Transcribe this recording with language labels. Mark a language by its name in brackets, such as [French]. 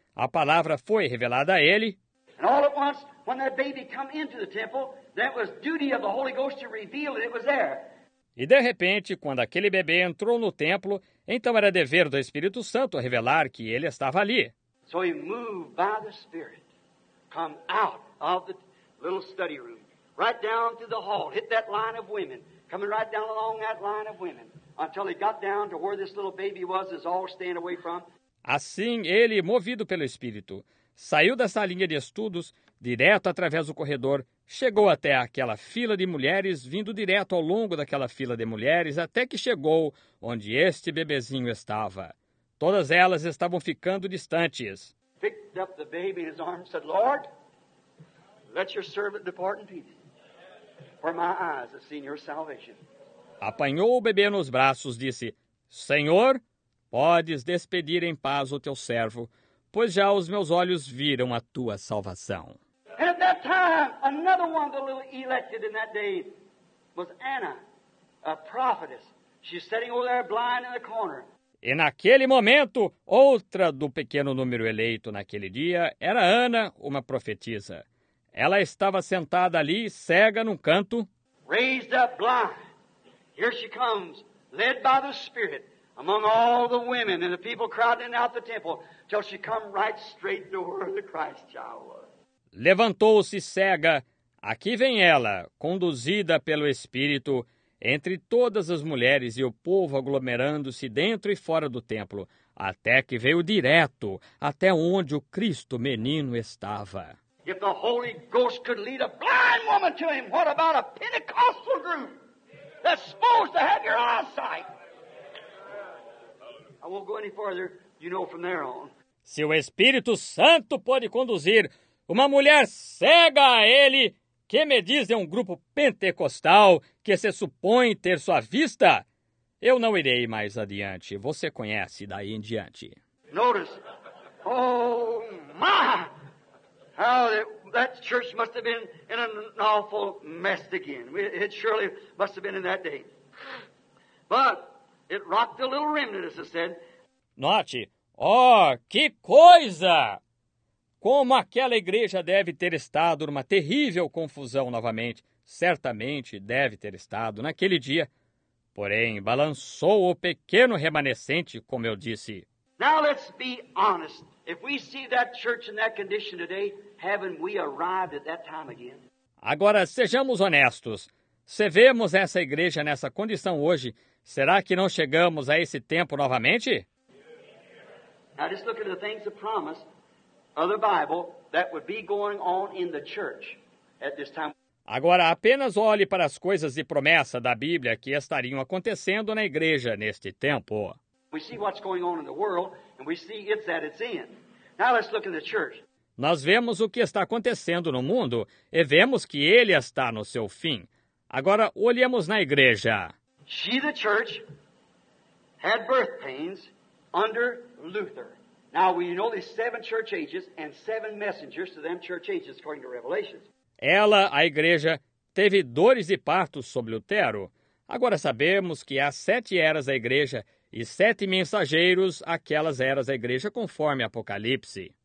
[Portuguese] A palavra foi revelada a ele. [English] And all at once, when that baby came into the temple, that was duty of the Holy Ghost to reveal it, it was there. [Portuguese] E de repente, quando aquele bebê entrou no templo, então era dever do Espírito Santo revelar que ele estava ali. [English] So he moved by the Spirit, come out of the little study room, right down to the hall, hit that line of women, coming right down along that line of women, until he got down to where this little baby was all staying away from. [Portuguese] Assim, ele, movido pelo Espírito, saiu dessa linha de estudos, direto através do corredor, chegou até aquela fila de mulheres, vindo direto ao longo daquela fila de mulheres, até que chegou onde este bebezinho estava. Todas elas estavam ficando distantes. [English] Picked up the baby in his arms and said, Lord, let your servant depart in peace, for my eyes have seen your salvation. [Portuguese] Apanhou o bebê nos braços, disse, Senhor, podes despedir em paz o teu servo, pois já os meus olhos viram a tua salvação. [English] And at that time, another one of the little elected in that day was Anna, a prophetess. She's sitting over there blind in the corner. [Portuguese] E naquele momento, outra do pequeno número eleito naquele dia era Ana, uma profetisa. Ela estava sentada ali, cega num canto. [English] Raised up blind. Here she comes, led by the Spirit. Among all the women and the people crowding out the temple, till she come right straight to where the Christ child was. [Portuguese] Levantou-se cega. Aqui vem ela, conduzida pelo Espírito, entre todas as mulheres e o povo aglomerando-se dentro e fora do templo, até que veio direto até onde o Cristo menino estava. [English] If the Holy Ghost could lead a blind woman to him, what about a Pentecostal group that's supposed to have your eyesight? I won't go any further, you know from there on. [Portuguese] Se o Espírito Santo pode conduzir uma mulher cega a ele, que me diz de um grupo pentecostal que se supõe ter sua vista? Eu não irei mais adiante. Você conhece daí em diante. [English] Notice. Oh, my! How that church must have been in an awful mess again. It surely must have been in that day. But it rocked the little remnant, as I said. [Portuguese] Note, oh, que coisa! Como aquela igreja deve ter estado numa terrível confusão novamente. Certamente deve ter estado naquele dia. Porém, balançou o pequeno remanescente, como eu disse. [English] Now let's be honest. If we see that church in that condition today, haven't we arrived at that time again? [Portuguese] Agora, sejamos honestos. Se vemos essa igreja nessa condição hoje, será que não chegamos a esse tempo novamente? [English] Now just look at the things of promise of the Bible that would be going on in the church at this time. [Portuguese] Agora, apenas olhe para as coisas de promessa da Bíblia que estariam acontecendo na igreja neste tempo. [English] We see what's going on in the world, and we see it's at its end. Now let's look in the church. [Portuguese] Nós vemos o que está acontecendo no mundo e vemos que ele está no seu fim. Agora, olhemos na igreja. [English] She, the church, had birth pains under Luther. Now, we know there's seven church ages and seven messengers to them church ages, according to Revelation. [Portuguese] Ela, a igreja, teve dores de parto sob Lutero. Agora sabemos que há sete eras da igreja e sete mensageiros àquelas eras da igreja, conforme Apocalipse.